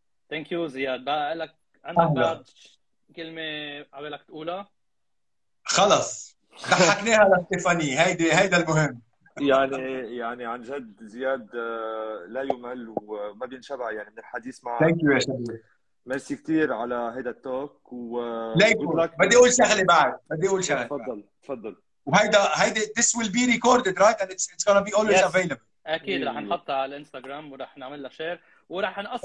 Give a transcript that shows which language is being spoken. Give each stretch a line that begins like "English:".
English: thank you
Arabic: زياد. بقى لك عندك بعد كلمه عبالك تقولها؟ خلص ضحكناها لستيفاني، هيدا المهم. يعني عن جد زياد لا يمل وما بينشبع يعني من الحديث معك.
English: thank you
Arabic: يا شباب، ميرسي كثير على هيدا التوك. و بدي اقول شغله بعد، تفضل تفضل. وهيدا
English: this will be recorded right and it's gonna be always available.
Arabic: اكيد رح نحطها على الانستغرام ورح نعمل لها شير ورح نقص